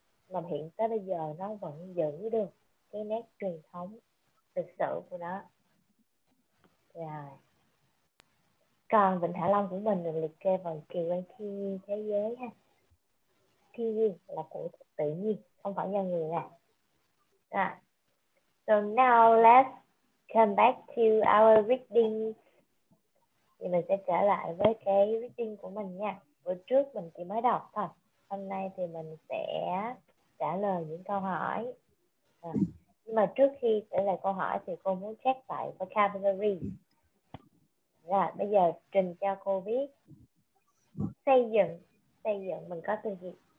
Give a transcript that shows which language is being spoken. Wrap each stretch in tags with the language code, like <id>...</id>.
<vi>Mà hiện tới bây giờ nó vẫn giữ được cái nét truyền thống lịch sử của nó. Rồi. Yeah. Còn Vịnh Hạ Long của mình được liệt kê vào kỳ quan thiên nhiên thế giới ha. Thiên nhiên là của tự nhiên, không phải do người nè.</vi> <en>So now let's come back to our reading.</en> <vi>Thì mình sẽ trở lại với cái reading của mình nha. Bữa trước mình chỉ mới đọc thôi. Hôm nay thì mình sẽ trả lời những câu hỏi. Nhưng mà trước khi trả lời câu hỏi thì cô muốn check lại vocabulary. Rồi, bây giờ trình cho cô biết xây dựng mình có từ gì?</vi>